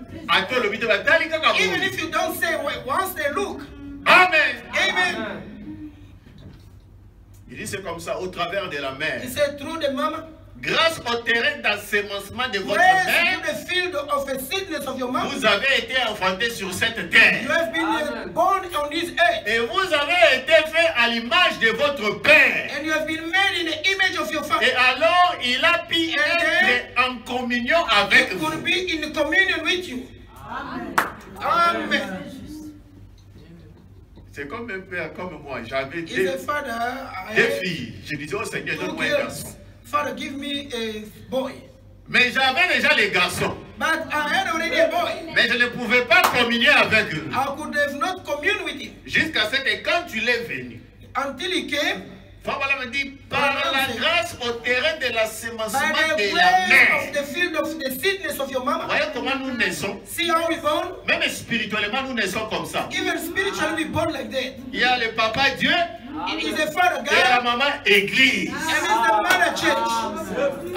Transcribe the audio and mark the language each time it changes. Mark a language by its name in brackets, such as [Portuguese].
[English] Even if you don't say, once they look. Amen. Amen. [French] Il dit c'est comme ça au travers de la mer. [English] He said through the mama. [French] Grâce au terrain d'ensemencement de votre mère. [English] Grace to the field of the seedness of your mother. [French] Vous avez été enfanté sur cette terre. [English] You have been born on this earth. [French] Et vous avez été fait à l'image de votre père. [English] And you have been made in the image of your father. [French] Et alors il a pu être en communion avec vous. [English] Could be in communion with you. Amen. Amen. [French] C'est comme un père, comme moi, j'avais deux filles. Je disais au Seigneur, donne-moi un garçon. [English] Father, give me a boy. [French] Mais j'avais déjà les garçons. [English] But I had already a boy. [French] Mais je ne pouvais pas communier avec eux. [English] I could have not communed with him. [French] Jusqu'à ce que quand tu l'es venu. [English] Until he came. [French] Voilà, me dit, par la grâce au terrain de la semence de la mer. [English] Of the field of the seedness of your mama. [French] Voyez comment nous naissons. [English] See how we born. [French] Même spirituellement nous naissons comme ça. [English] Even spiritually we born like that. [French] Il y a le papa Dieu. [English] It is the father God. [French] Et la maman Église. [English] And it's the mother Church.